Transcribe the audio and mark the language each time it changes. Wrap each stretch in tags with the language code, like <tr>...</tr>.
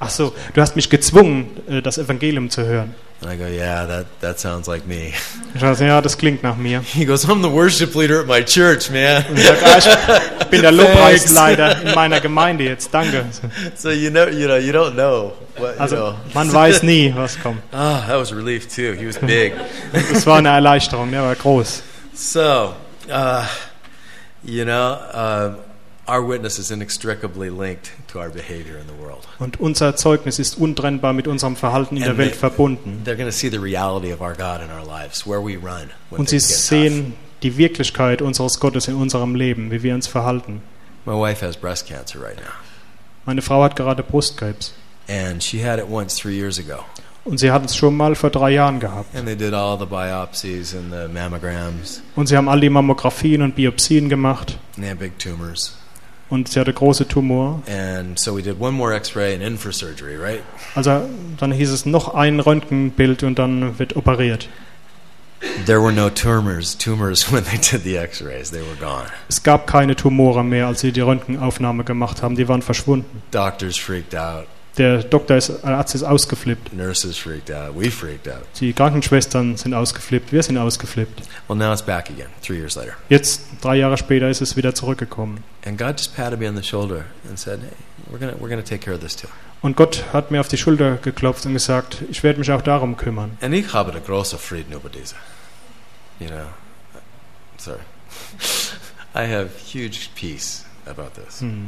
<de>Ach so, du hast mich gezwungen, das Evangelium zu hören.</de> <en>And I go, yeah, that sounds like me.</en> <de>Ich sage, ja, das klingt nach mir.</de> <en>He goes, I'm the worship leader at my church, man.</en> <de>Und ich sage, ich bin der Lobpreisleiter in meiner Gemeinde jetzt. Danke.</de> <en>So you know, you don't know.</en> <de>Man weiß nie, was kommt.</de> <en>Ah, that was a relief too. He was big.</en> <de>Das war eine Erleichterung. Er war groß.</de> <en>So, you know, our witness is inextricably linked to our behavior in the world.</en> <de>Und unser Zeugnis ist untrennbar mit unserem Verhalten in der Welt verbunden.</de> <en>They're going to see the reality of our God in our lives, where we run.</en> <de>Und sie sehen die Wirklichkeit unseres Gottes in unserem Leben, wie wir uns verhalten.</de> <en>My wife has breast cancer right now.</en> <de>Meine Frau hat gerade Brustkrebs.</de> <en>And she had it once 3 years ago.</en> <de>Und sie hatten es schon mal vor 3 Jahren gehabt.</de> <en>And they did all the biopsies and the mammograms.</en> <de>Und sie haben all die Mammografien und Biopsien gemacht.</de> <en>And they had big tumors.</en> <de>Und sie hatte große Tumor.</de> <en>And so we did one more X-ray and in for surgery, right?</en> <de>Also dann hieß es noch ein Röntgenbild und dann wird operiert.</de> <en>There were no tumors when they did the X-rays. They were gone.</en> <de>Es gab keine Tumore mehr, als sie die Röntgenaufnahme gemacht haben. Die waren verschwunden.</de> <en>Doctors freaked out.</en> <de>Der Doktor ist, der Arzt ist ausgeflippt.</de> <en>Nurses freaked out. We freaked out.</en> <de>Die Krankenschwestern sind ausgeflippt. Wir sind ausgeflippt.</de> <en>Well, now it's back again, 3 years later.</en> <de>Jetzt 3 Jahre später ist es wieder zurückgekommen.</de> <en>And God just patted me on the shoulder and said, hey, we're gonna take care of this too.</en> <de>Und Gott hat mir auf die Schulter geklopft und gesagt, ich werde mich auch darum kümmern. And ich habe einen großen Frieden über diese.</de> <en>You know, sorry. I have huge peace about this.</en>